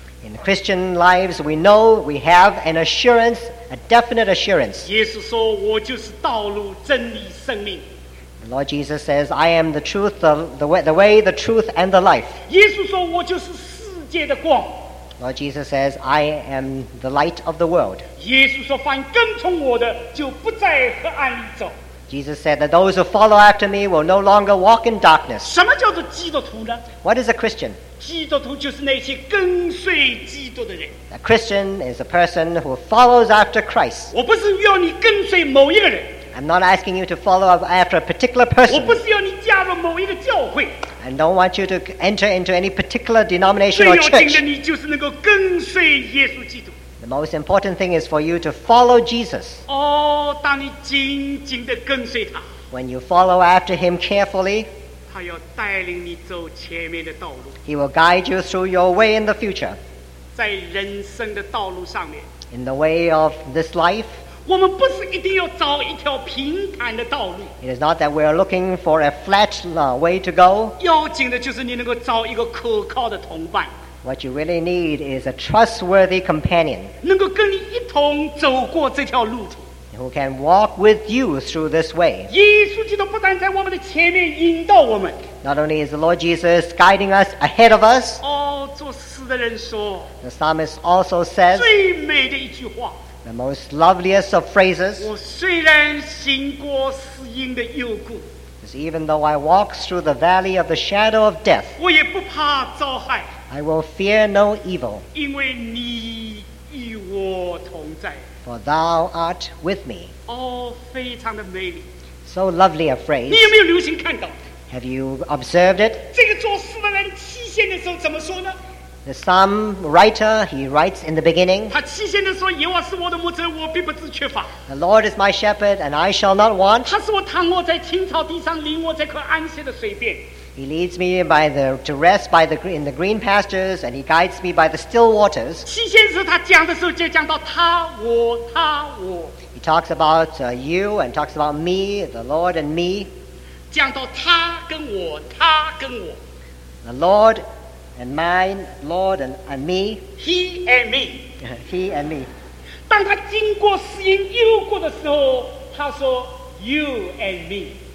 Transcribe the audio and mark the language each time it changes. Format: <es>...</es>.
<en>In Christian lives, we know we have an assurance, a definite assurance.</en> <zh>耶稣说，我就是道路、真理、生命。</zh> <en>The Lord Jesus says, I am the truth, the way, the truth, and the life.</en> <zh>耶稣说，我就是世界的光。</zh> <en>Lord Jesus says, I am the light of the world.</en> <zh>耶稣说，凡跟从我的，就不在黑暗里走。</zh> <en>Jesus said that those who follow after me will no longer walk in darkness.</en> <zh>什么叫做基督徒呢？</zh> <en>What is a Christian?</en> <zh>基督徒就是那些跟随基督的人。</zh> <en>A Christian is a person who follows after Christ.</en> <zh>我不是要你跟随某一个人。</zh> <en>I'm not asking you to follow after a particular person.</en> <zh>我不是要你加入某一个教会。</zh> <en>I don't want you to enter into any particular denomination or church.</en> <zh>最要紧的你就是能够跟随耶稣基督。</zh> <en>The most important thing is for you to follow Jesus.</en> <zh>Oh, 当你紧紧地跟随他,</zh> <en>when you follow after him carefully,</en> <zh>他要带领你走前面的道路。</zh> <en>He will guide you through your way in the future.</en> <zh>在人生的道路上面。</zh> <en>In the way of this life.</en> <zh>我们不是一定要找一条平坦的道路。</zh> <en>It is not that we are looking for a flat way to go.</en> <zh>要紧的就是你能够找一个可靠的同伴。</zh> <en>What you really need is a trustworthy companion.</en> <zh>能够跟你一同走过这条路途。</zh> <en>Who can walk with you through this way.</en> <zh>耶稣基督不但在我们的前面引导我们。</zh> <en>Not only is the Lord Jesus guiding us ahead of us.</en> <zh>哦，作诗的人说。</zh> <en>The psalmist also says.</en> <zh>最美的一句话。</zh> <en>The most loveliest of phrases.</en> <zh>我虽然行过死荫的幽谷，</zh> <en>even though I walk through the valley of the shadow of death,</en> <zh>我也不怕遭害，</zh> <en>I will fear no evil,</en> <zh>因为你与我同在，</zh> <en>for thou art with me.</en> <zh>哦，非常的美丽。</zh> <en>So lovely a phrase.</en> <zh>你有没有留心看到？</zh> <en>Have you observed it?</en> <zh>这个作诗的人期限的时候怎么说呢？</zh> <en>The psalm writer, he writes in the beginning,</en> <zh>他七先生说，耶和华是我的牧者，我必不致缺乏。</zh> <en>The Lord is my shepherd, and I shall not want.</en> <zh>他使我躺卧在青草地上，领我在可安歇的水边。</zh> <en>He leads me by the, to rest by the, in the green pastures, and he guides me by the still waters.</en> <zh>七先生他讲的时候就讲到他，我，他，我。</zh> <en>He talks about you, and talks about me, the Lord and me.</en> <zh>讲到他跟我，他跟我。</zh> <en>The Lord and mine, Lord, and me. He and me. He and me.</en> <zh>当他经过死荫幽谷的时候，他说 ，</zh> <en>You and me.</en>